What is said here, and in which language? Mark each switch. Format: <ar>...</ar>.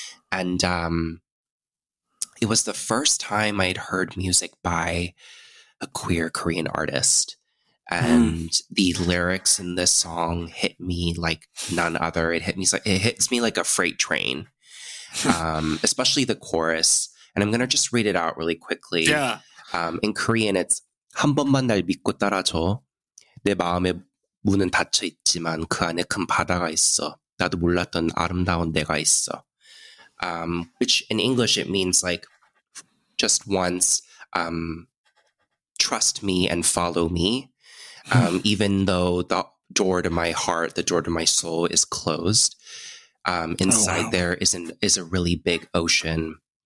<en>And it was the first time I had heard music by a queer Korean artist. And the lyrics in this song hit me like none other. It hits me like a freight train, especially the chorus. And I'm going to just read it out really quickly. Yeah. In Korean, it's</en> <ko>한 번만 날 믿고 따라줘. 내 마음의 문은 닫혀 있지만 그 안에 큰 바다가 있어. 나도 몰랐던 아름다운 내가 있어.</ko> <en>Which in English it means like, just once, trust me and follow me. Even though the door to my heart, the door to my soul is closed, inside there is a really big ocean.</en>